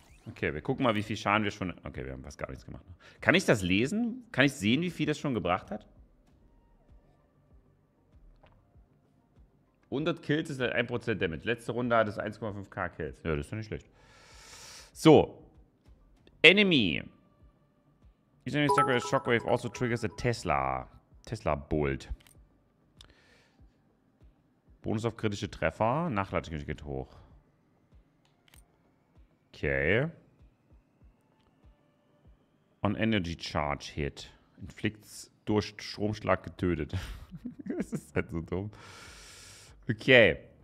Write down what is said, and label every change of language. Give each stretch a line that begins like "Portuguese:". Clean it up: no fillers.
German: Okay, wir gucken mal, wie viel Schaden wir schon... Okay, wir haben fast gar nichts gemacht. Kann ich das lesen? Kann ich sehen, wie viel das schon gebracht hat? 100 Kills ist halt 1% Damage. Letzte Runde hat es 1,5k Kills. Ja, das ist doch nicht schlecht.
English: So. Enemy. Each enemy struck by a shockwave also triggers a Tesla. Tesla Bolt.
German: Bonus auf kritische Treffer. Nachladegeschwindigkeit geht hoch. Okay.
English: On Energy Charge Hit. Inflicts
German: durch Stromschlag getötet. Das ist halt so dumm. Okay.